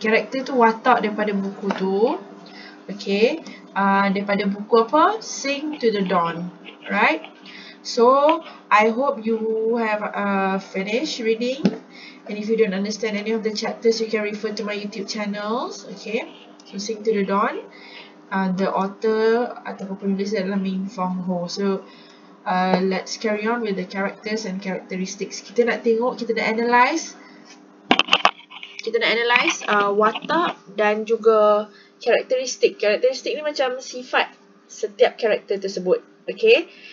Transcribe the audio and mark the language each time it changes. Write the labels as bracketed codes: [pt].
[ms] Character tu watak daripada buku tu. Okay, daripada buku apa? [en] Sing to the Dawn. Right? So, I hope you have finished reading. And if you don't understand any of the chapters, you can refer to my YouTube channels. Okay? So, Sing to the Dawn. The author [ms] ataupun penulis adalah Ming Fong Ho. [en] So, let's carry on with the characters and characteristics. [ms] Kita nak tengok, kita nak analyse watak dan juga characteristic. Characteristic ni macam sifat setiap karakter tersebut. Okay?